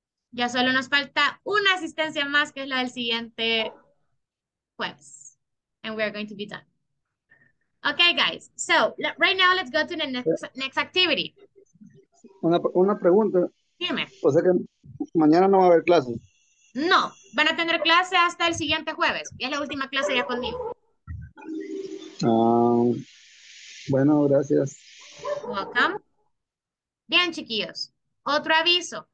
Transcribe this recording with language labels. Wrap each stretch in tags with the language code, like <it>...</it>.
<es>Ya solo nos falta una asistencia más, que es la del siguiente jueves.</es> <en>And we are going to be done. Okay, guys. So, right now, let's go to the next activity.</en> <es>Una pregunta. Dime. O sea que mañana no va a haber clases. No, van a tener clase hasta el siguiente jueves. Y es la última clase ya conmigo. Bueno, gracias. Welcome. Bien, chiquillos. Otro aviso.</es>